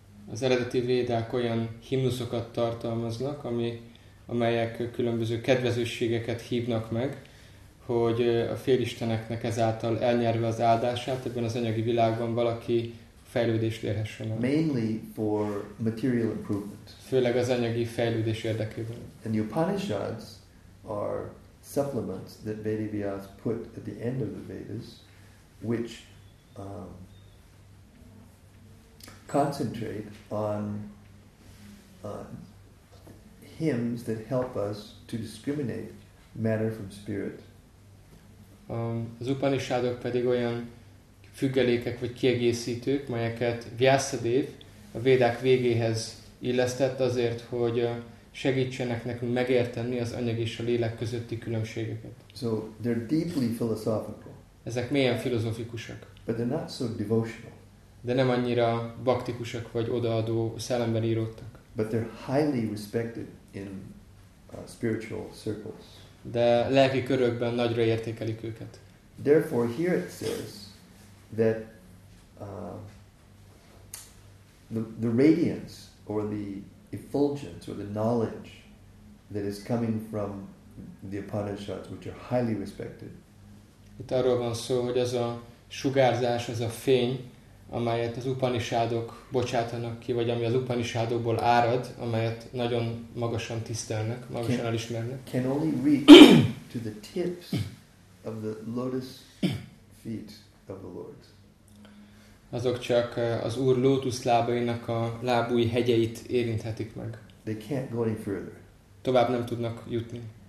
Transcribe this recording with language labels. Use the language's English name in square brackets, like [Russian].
[Hungarian] Az eredeti védák olyan himnuszokat tartalmaznak, amelyek különböző kedvezőségeket hívnak meg, hogy a félisteneknek ezáltal elnyerve az áldását ebben az anyagi világban valaki fejlődést érhessen. [English] Mainly for material improvement. [Hungarian] Főleg az anyagi fejlődés érdekében. [English] And the Upanishads are supplements that Vedavyas put at the end of the Vedas, which concentrate on hymns that help us to discriminate matter from spirit. [Hungarian] Az Upanishadok pedig olyan függelékek vagy kiegészítők, melyeket Vyasadev a védák végéhez illesztett azért, hogy segítsenek nekünk megérteni az anyag és a lélek közötti különbségeket. [English] So they're deeply philosophical. [Hungarian] Ezek mélyen filozofikusak. [English] But they're not so devotional. [Hungarian] De nem annyira baktikusak vagy odaadó szellemben íródtak. [English] But they're highly respected in spiritual circles. [Hungarian] De lelki körökben nagyra értékelik őket. [English] Therefore here it says that the radiance or the effulgence or the knowledge that is coming from the Upanishads, which are highly respected. [Hungarian] Itt arról van szó, hogy az a sugárzás, az a fény, amelyet az Upanishadok bocsátanak ki, vagy ami az Upanishadokból árad, amelyet nagyon magasan tisztelnek, magasan elismernek. [English] Can only reach to the tips of the lotus feet of the Lord. [Hungarian] Azok csak az Úr lótusz lábainak a lábúj hegyeit érinthetik meg. [English] They can't go any further. [Hungarian] Tovább nem tudnak jutni.